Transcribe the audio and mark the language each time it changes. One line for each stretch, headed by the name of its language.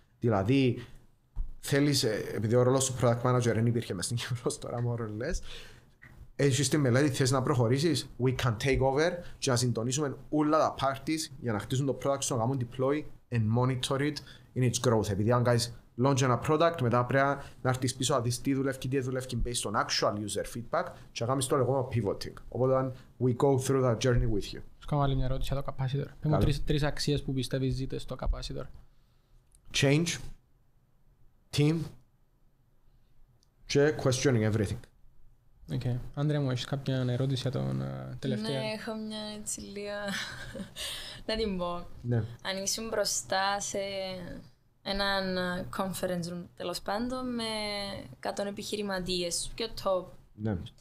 Greek: Δηλαδή, θέλεις, επειδή ο ρόλος του Product Manager δεν υπήρχε μέσα στην Κύπρο, τώρα μόνο λες, έχεις τη μελέτη, θες να προχωρήσεις,
English: we can take over
Greek: και να συντονίσουμε όλα τα parties για να χτίσουν το product στο γάμο,
English: deploy and monitor it in its growth.
Greek: Επειδή αν κάνεις launch ένα product, μετά πρέπει να έρθεις πίσω να δεις τι δουλεύει και τι δουλεύει
English: based on actual user feedback
Greek: και να κάνεις το λεγόμενο pivoting. Οπότε,
English: we go through that journey with you.
Greek: Σου κάνω άλλη μια ερώτηση για το capacitor. Πες μου τρεις αξίες που πιστεύεις ζείτε στο capacitor.
English: Change, team
Greek: και
English: questioning everything.
Greek: Οκ. Άντρια μου, έχεις κάποια ερώτηση για τον τελευταίο? Ναι, έχω μια έτσι λίγα... Να την πω. Ναι. Αν ήσουν μπροστά σε έναν conference room, τέλος πάντων, με 100 επιχειρηματίες, πιο top. Ναι.